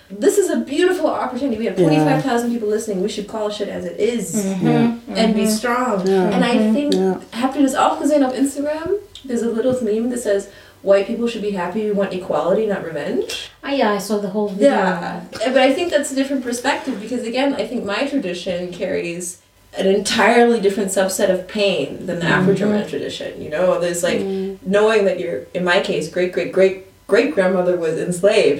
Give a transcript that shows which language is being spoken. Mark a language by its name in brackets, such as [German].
[English] This is a beautiful opportunity. We have 25,000 people listening. We should call shit as it is and be strong. Yeah. And I think, [German] habt ihr das auch gesehen auf Instagram? [English] There's a little meme that says, white people should be happy, we want equality, not revenge. Oh yeah, I saw the whole video. Yeah, but I think that's a different perspective because, again, I think my tradition carries an entirely different subset of pain than the Afro-German tradition, you know? There's, like, knowing that you're, in my case, great-great-great-great-grandmother was enslaved.